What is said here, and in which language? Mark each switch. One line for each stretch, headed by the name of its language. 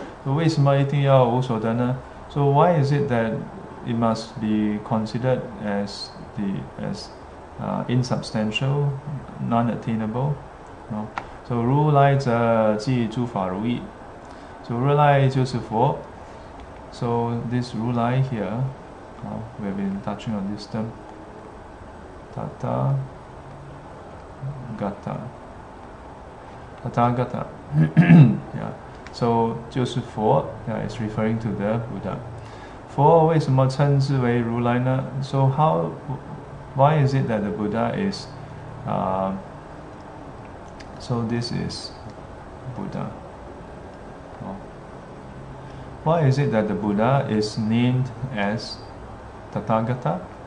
Chinese: So 为什么一定要无所得呢?
English: So why is it that it must be considered as the insubstantial, non-attainable?
Chinese: No. So 如来则即诸法如意.So 如来就是佛.
English: So this 如来 here, we've been touching on this term. Tata Gata. Tata Gata. Yeah. So
Chinese: 就是佛.
English: Yeah, it's referring to the Buddha.
Chinese: 佛为什么称之为如来呢?
English: So how, why is it that the Buddha is, so this is Buddha. Oh. Why is it that the Buddha is named as Tathagata?